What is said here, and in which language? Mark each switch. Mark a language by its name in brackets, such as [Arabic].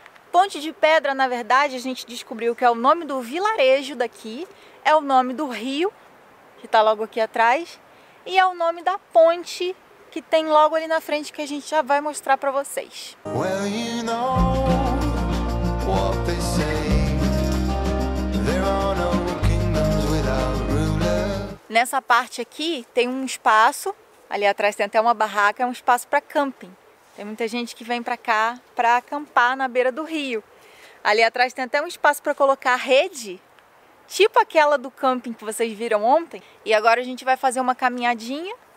[Portuguese] Ponte de Pedra, na verdade, a gente descobriu que é o nome do vilarejo daqui, é o nome do rio, que está logo aqui atrás, e é o nome da ponte que tem logo ali na frente, que a gente já vai mostrar para vocês. [English] Well, you know what they say. There are no kingdoms without ruler. [Portuguese] Nessa parte aqui tem um espaço, ali atrás tem até uma barraca, é um espaço para camping. Tem muita gente que vem pra cá pra acampar na beira do rio. Ali atrás tem até um espaço pra colocar rede, tipo aquela do camping que vocês viram ontem. E agora a gente vai fazer uma caminhadinha.